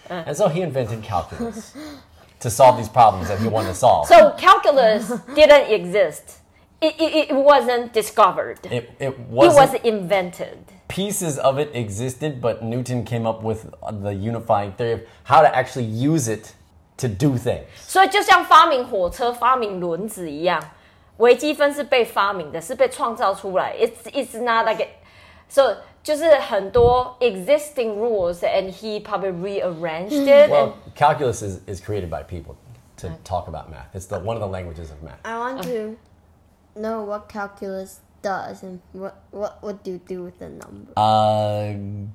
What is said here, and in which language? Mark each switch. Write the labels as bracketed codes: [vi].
[en] And so he invented calculus to solve these problems that he wanted to solve. So calculus didn't exist. It wasn't discovered. It wasn't. It was invented. Pieces of it existed, but Newton came up with the unifying theory of how to actually use it to do things. [zh] 所以就像发明火车、发明轮子一样，微积分是被发明的，是被创造出来。 [en] It's not like it. So [zh] 就是很多 [en] existing rules, and he probably rearranged it. Well, calculus is created by people to talk about math. It's the one of the languages of math. I want to. Know what calculus does and what do you do with the number?